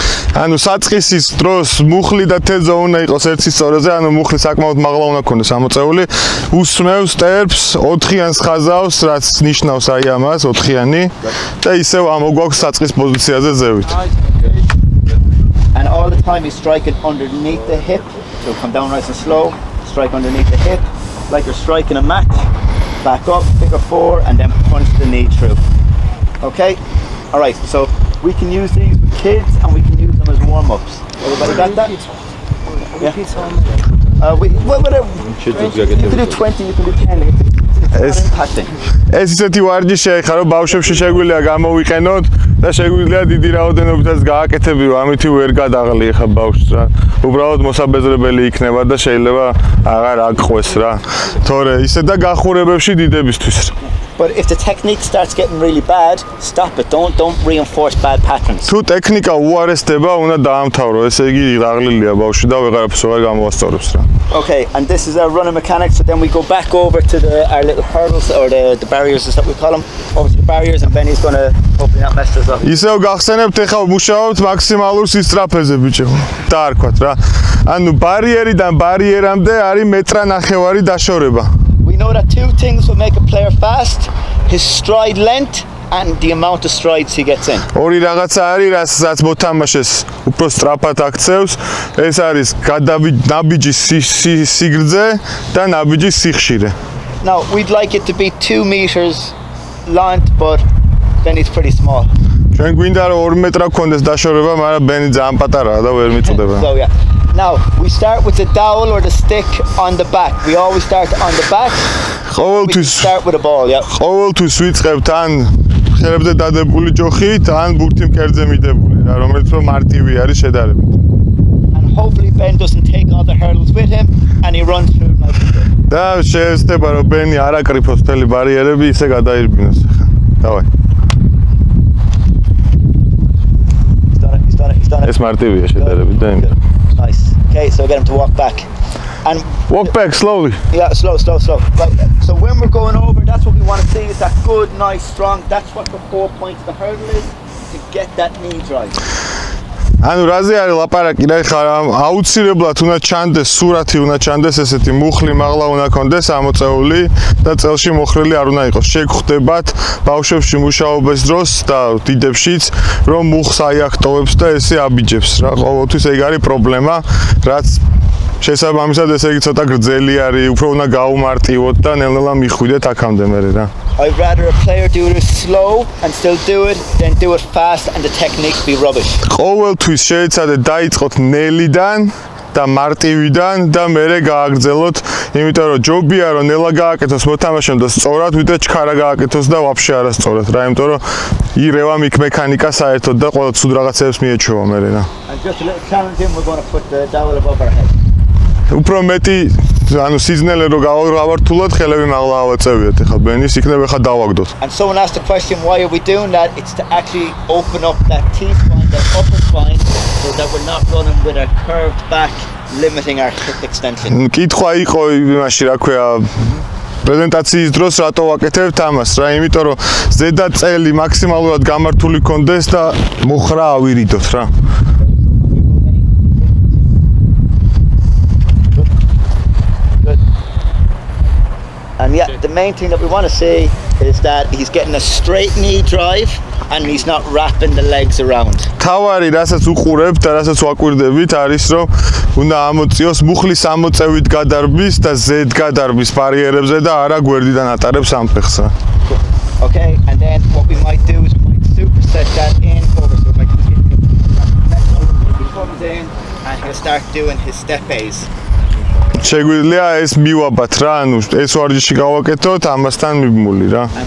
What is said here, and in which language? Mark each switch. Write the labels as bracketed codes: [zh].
[ka] ანუ საწყისის დროს მუხლი და თეძა უნდა იყოს ერთის წორეზე, ანუ მუხლი საკმაოდ მაღლა უნდა ქონდეს ამოწეული. უსმევს ტერფს, 4-იანს ხაზავს, რაც ნიშნავს აი ამას, 4-იანი და ისევ ამოგვაქვს საწყის პოზიციაზე ზევით. [en] And all the time you strike it underneath the hip, so come down nice and slow, strike underneath the hip like you're striking a match. Back up, pick a four and then punch the knee through. Okay? All right, so we can use these with kids and we can use them as warm-ups. Everybody got that? Yeah. You can do 20, you can do 10. [ka] ეს ისეთი ვარჯიშია, ხა რომ ბავშვებში შეგვიძლია გამოვიყენოთ და შეგვიძლია დიდი რაოდენობითაც გააკეთებიო, ამით ვერ გადაღლი ხა ბავშვს რა. უბრალოდ მოსაბეზრებელი იქნება და შეიძლება აღარ აკყვეს რა. თორე ისე და გახურებებში დიდებისთვის. [en] But if the technique starts getting really bad, stop it. Don't reinforce bad patterns. [ka] თუ ტექნიკა უარესდება, უნდა დაამთავრო, ესე იგი დაღლილია ბავშვი და ვეღარაფერს აღარ გამოასწორებს რა. [en] Okay, and this is our running mechanics, so then we go back over to our little hurdles or the barriers is what we call them. Obviously the barriers and Benny's going to hopefully not mess us up. [ka] ისევ გახსენებთ, ეხლა მუშაობთ მაქსიმალურ სისწრაფეზე ბიჭო. და არ ქვათ რა. ანუ ბარიერიდან ბარიერამდე არის მეტრა ნახევარი დაშორება. [en] We know that two things will make a player fast: his stride length and the amount of strides he gets in. [ka] ორი რაღაცა არის, რასაც მოთამაშეს უფრო სტრაფად აქცევს, ეს არის ნაბიჯის სიგრძე და ნაბიჯის სიხშირე. [en] Now we'd like it to be 2 meters long, but then it's pretty small. [ka] ჩვენ გვინდა რომ 2 მეტრა გქონდეს დაშორება, მაგრამ ბენი ძალიან პატარაა და ვერ მიწოდება. [en] So yeah. Now we start with the dowel or the stick on the back. We always start on the back. [ka] ყოველთვის [en] start with a ball, yeah. [ka] ყოველთვის ვიწყებთ ან ხელებზე დადებული ჯოხით, ან ბურთი მკერდზე მიდებული რა, რომელიც უფრო მარტივი არის შედარებით. [en] And hopefully Ben doesn't take all the hurdles with him and he runs through nicely. [ka] და შეესწება რომ ბენი არ აკრიფოს მთელი ბარიერები, ისე გადაირბინოს ახლა. დავა. ეს მარტივია შედარებით და იმ. [en] Okay, so get him to walk back. And walk back slowly. Yeah, slow. Right. So when we're going over, that's what we want to see, is that good, nice, strong. That's what the 4 points of the hurdle is, to get that knee drive. [ka] ანუ რაზე არის ლაპარაკი რა, ხა აუცილებლად უნდა ჩანდეს სურათი, უნდა ჩანდეს ესეთი მუხლი მაღლა უნდა ქონდეს ამოწეული და წელში მოხრილი არ უნდა იყოს. შეგხვდებათ ბავშვებში მუშაობის დროს და დიდებშიც, რომ მუხს აიაქტოვებს და ესე აბიჯებს რა. ყოველთვის ეგ არის პრობლემა, რაც შესაბამისად ესე იგი ცოტა გრძელი არის, უფრო უნდა გაუმარტივოთ და ნელ-ნელა მიხვიდეთ აქამდე მერე რა. [en] I'd rather a player do it slow and still do it than do it fast and the technique be rubbish. [ka] ყოველთვის შეიძლება დაიწყოთ ნელიდან და მარტივიდან და მერე გააგრძელოთ, იმიტომ რომ ჯობია რომ ნელა გააკეთოს მოთამაშემ და სწორად ვიდრე ჩქარა გააკეთოს და ვაფშე არასწორად რა, იმიტომ რომ ირევა მიქ მექანიკა საერთოდ და ყველა ცუდ რაღაცებს მიეჩვევა მერე რა. უფრო მეტი ანუ სიზნელე რო გავავართულოთ, ხელები მაღლა ავაწევიოთ, ეხლა ბენის იქნებ ეხლა დავაგდოთ. [en] And so ask the question, why are we doing that? It's to actually open up that T-spine, that upper spine, so that we're not running with a curved back limiting our hip extension. [ka] კითხვა იყო იმაში, რა ქვია, პრეზენტაციის დროს რატო ვაკეთებთ ამას რა, იმიტომ რომ ზედა წელი მაქსიმალურად გამართული კონდეს და მოხრა ავირიდოთ რა. [en] And yeah, the main thing that we want to see is that he's getting a straight knee drive and he's not wrapping the legs around. [ka] თავარი რასაც უყურებთ და რასაც ვაკვირდებით არის რომ უნდა ამოწიოს მუხლის ამოწევით გადარბის და ზედ გადარბის ბარიერებზე და არა გვერდიდან ატარებს ამ ფეხს. [en] Okay, and then what we might do is we might superset that in over so like he comes in and he'll start doing his step A's. [ka] შეგვიძლია ეს მივაბათ რა, ანუ ეს ვარჯიში გავაკეთოთ ამასთან მიბმული რა.